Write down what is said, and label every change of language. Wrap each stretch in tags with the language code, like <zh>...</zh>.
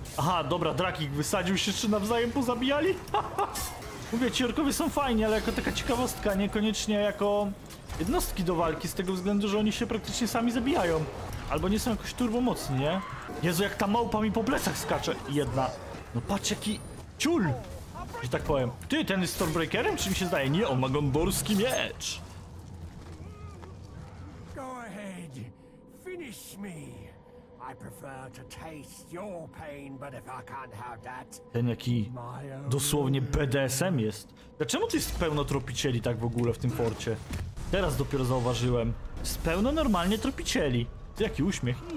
<pl>Aha, dobra, drakik wysadził się, czy nawzajem pozabijali? Mówię, ci orkowie są fajni, ale jako taka ciekawostka, niekoniecznie jako jednostki do walki, z tego względu, że oni się praktycznie sami zabijają. Albo nie są jakoś turbomocni, nie? Jezu, jak ta małpa mi po plecach skacze! Jedna. No patrz, jaki ciul! Że tak powiem. Ty, ten jest Stormbreakerem, czy mi się zdaje? Nie, on ma gondorski miecz!</pl> <en>Go ahead, finish me. I prefer to taste your pain, but if I can't have that...</en> <pl>Ten jaki dosłownie BDSM jest. Dlaczego tu jest pełno tropicieli tak w ogóle w tym forcie? Teraz dopiero zauważyłem. Jest pełno normalnie tropicieli. Ty, jaki uśmiech.</pl>